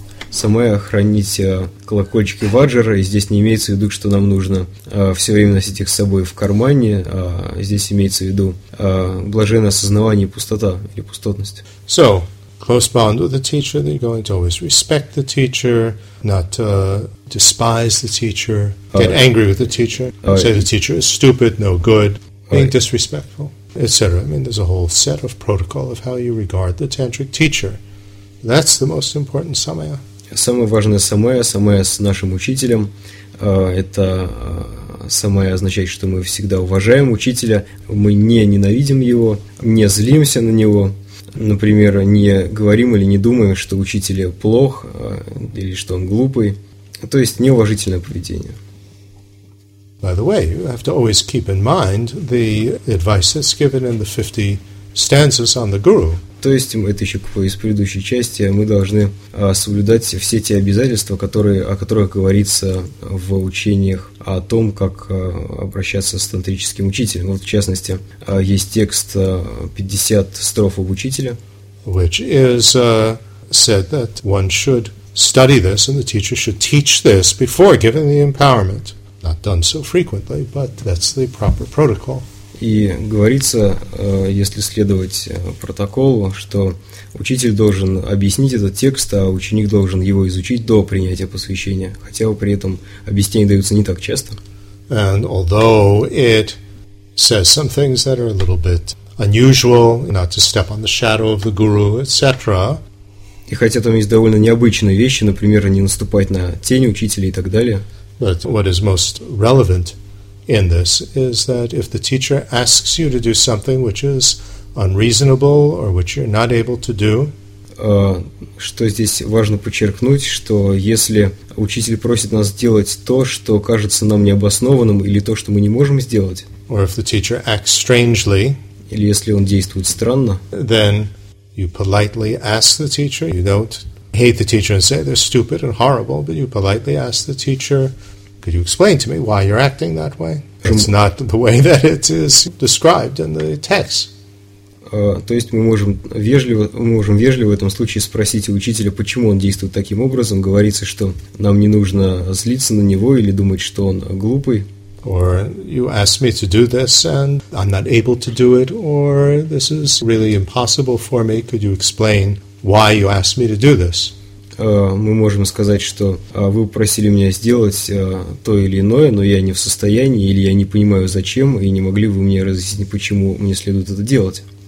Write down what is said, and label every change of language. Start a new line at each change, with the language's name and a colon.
Russian: Самая хранить колокольчики ваджра, и здесь не имеется в виду, что нам нужно все время носить их с собой в кармане, а здесь имеется в виду блаженное осознавание и пустота или пустотность.
English: So, close bond with the teacher, that you're going to always respect the teacher, not despise the teacher, get angry with the teacher, say the teacher is stupid, no good, being disrespectful, etc. I mean, there's a whole set of protocol of how you regard the tantric teacher. That's the most important samaya.
Russian: Самое важное самая, самая с нашим учителем, это самая означает, что мы всегда уважаем учителя, мы не ненавидим его, не злимся на него, например, не говорим или не думаем, что учитель плох или что он глупый, то есть неуважительное поведение.
English: By the way, you have to always keep in mind the advice that's given in the 50 stanzas on the guru.
Russian: То есть, это еще из предыдущей части, мы должны соблюдать все те обязательства, которые, о которых говорится в учениях о том, как обращаться с тантрическим учителем. Вот, в частности, есть текст 50 строф об учителе.
English: Which is said that one should study this and the teacher should teach this before giving the empowerment. Not done so frequently, but that's the proper protocol.
Russian: И говорится, если следовать протоколу, что учитель должен объяснить этот текст, а ученик должен его изучить до принятия посвящения, хотя при этом объяснения даются не так часто.
English: And although it says some things that are a little bit unusual, not to step on the shadow of the guru, etc.
Russian: И хотя там есть довольно необычные вещи, например, не наступать на тень учителя и так далее.
English: But what is most relevant in this is that if the teacher asks you to do something which is unreasonable or which you're not able to do,
Russian: что здесь важно подчеркнуть, что если учитель просит нас делать то, что кажется нам необоснованным или то, что мы не можем сделать,
English: or if the teacher acts strangely,
Russian: или если он действует странно,
English: then you politely ask the teacher, you don't hate the teacher and say they're stupid and horrible, but you politely ask the teacher, could you explain to me why you're acting that way? It's not the way that it is described in the text.
Russian: То есть мы можем вежливо в этом случае спросить у учителя, почему он действует таким образом. Говорится, что нам не нужно злиться на него или думать, что он глупый.
English: Or you asked me to do this and I'm not able to do it, or this is really impossible for me. Could you explain why you asked me to do this?
Russian: Мы можем сказать, что вы просили меня сделать то или иное, но я не в состоянии, или я не понимаю, зачем, и не могли вы мне разъяснить, почему мне следует это делать.